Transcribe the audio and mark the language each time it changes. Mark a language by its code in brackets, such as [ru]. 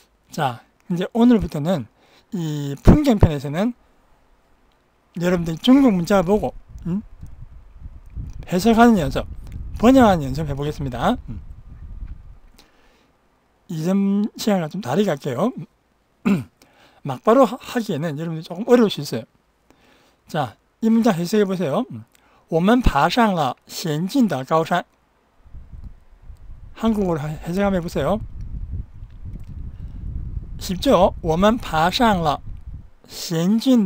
[ko] 자, 이제 오늘부터는 이 풍경편에서는 여러분들 중국 문자 보고 해석하는 연습. 번역하는 연습 해보겠습니다. 이전 시간과 좀 다르게 할게요. 막바로 하기에는 여러분들이 조금 어려울 수 있어요. 자, 이 문장 해석해 보세요. [zh] 我们爬上了险峻的高山. [ko] 한국어로 해석 한번 해보세요. 쉽죠? [zh] 我们爬上了险峻的高山.